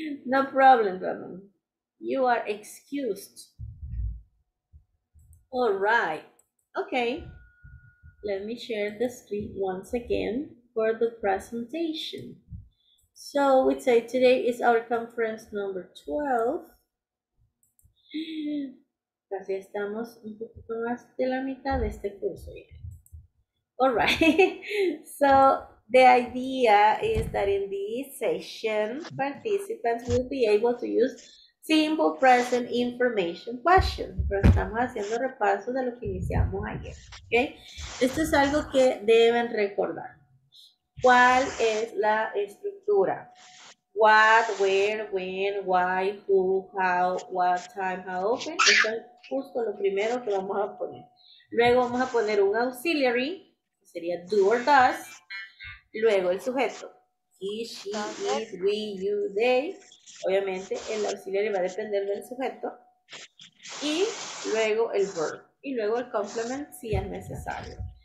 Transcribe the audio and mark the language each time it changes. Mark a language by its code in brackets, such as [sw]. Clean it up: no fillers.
[en] No problem, Ramón. You are excused. All right. Okay. Let me share the screen once again for the presentation. So we say today is our conference number 12. [es] Casi estamos un poquito más de la mitad de este curso. [en] All right. So the idea is that in this session, participants will be able to use simple present information question. [es] Pero estamos haciendo repaso de lo que iniciamos ayer. Okay. Esto es algo que deben recordar. ¿Cuál es la estructura? [en] What, where, when, why, who, how, what time, how often. [es] Esto es justo lo primero que vamos a poner. Luego vamos a poner un auxiliary, que sería do or does. Luego el sujeto. He, she, it, we, you, they. Obviamente el auxiliary va a depender del sujeto. Y luego el verb. Y luego el complement si es necesario.